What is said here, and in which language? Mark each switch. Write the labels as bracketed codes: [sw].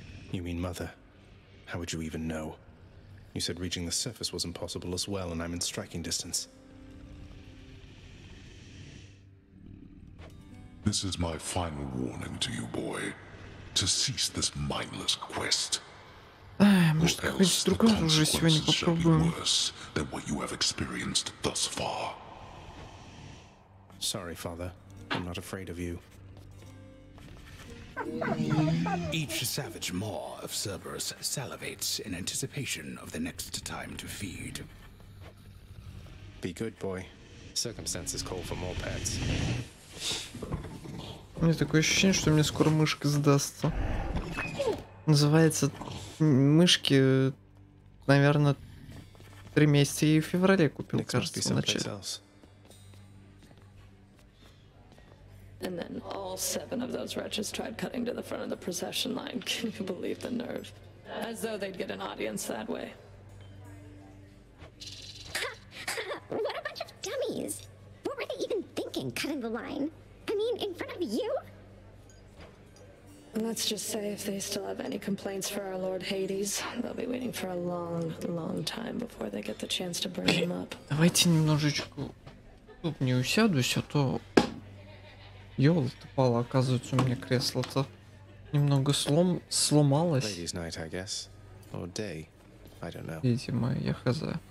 [en] You mean mother? How would you even know? You said reaching the surface was impossible as well, and I'm in striking distance. This is my final warning to you, boy. To cease this mindless quest. [ru] Может, какой-нибудь другой уже сегодня попробуем. [en] Sorry, father. I'm not afraid of you. Each savage maw of Cerberus salivates in anticipation of the next time to feed. Be good, boy. Circumstances call for more pets. [ru] У меня такое ощущение, что мне скоро мышка сдастся. Называется мышки, наверное, 3 месяца и в феврале купил, Next кажется, в начале. [en] And then all 7 of those wretches tried cutting to the front of the procession line. Can you believe the nerve? As though they'd get an audience that way. What a bunch of dummies! What were they even thinking, cutting the line? I mean, in front of you? Let's just say if they still have any complaints for our Lord Hades, they'll be waiting for a long, long time before they get the chance to bring him up. [ru] Давайте немножечко тут не усядусь, а то... Ёлы-топала, оказывается, у меня кресло-то немного сломалось. [en] Ladies night, I guess. Or day. I don't know. [ru] Видимо, я хз.